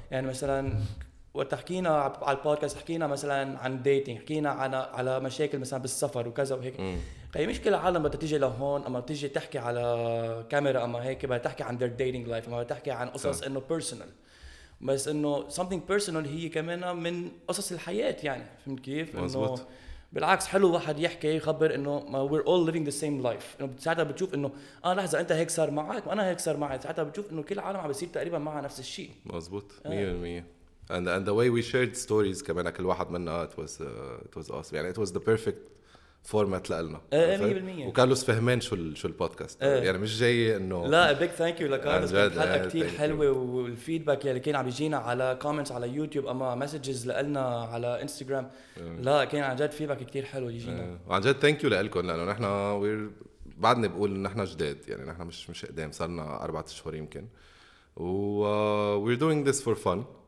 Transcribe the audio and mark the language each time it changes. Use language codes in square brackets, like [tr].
[ar] يعني مثلا وقت حكينا على البودكاست حكينا مثلا عن ديتينج حكينا على مشاكل مثلا بالسفر وكذا وهيك خي مش كل العالم بدها تيجي لهون اما تيجي تحكي على كاميرا اما هيك بدها تحكي عن [en] their dating life [ar] اما بدها تحكي عن قصص انه personal بس انه [en] something personal [ar] هي كمان من قصص الحياة يعني فهمت كيف مزبوط بالعكس حلو واحد يحكي يخبر انه [en] we're all living the same life [ar] انه ساعتها بتشوف انه لحظه انت هيك صار معك وانا هيك صار معي ساعتها بتشوف انه كل العالم عم بيصير تقريبا معها نفس الشيء مزبوط [en] 100% and the way we shared stories [ar] كمان كل واحد منا [en] it was awesome [ar] يعني [en] it was the perfect format [ar] لنا 100% وكارلوس فهمان شو البودكاست يعني مش جاي انه لا [en] big thank you [ar] لكارلوس حلقه كثير حلوه والفيدباك يلي كان عم يجينا على كومنتس على يوتيوب اما مسجز لنا على انستغرام لا كان عن جد فيدباك كثير حلو يجينا وعن جد [en] thank you [ar] لكم لانه نحن بعدني بقول نحن جداد يعني نحن مش قدام صرنا 4 اشهر يمكن [en] we're doing this for fun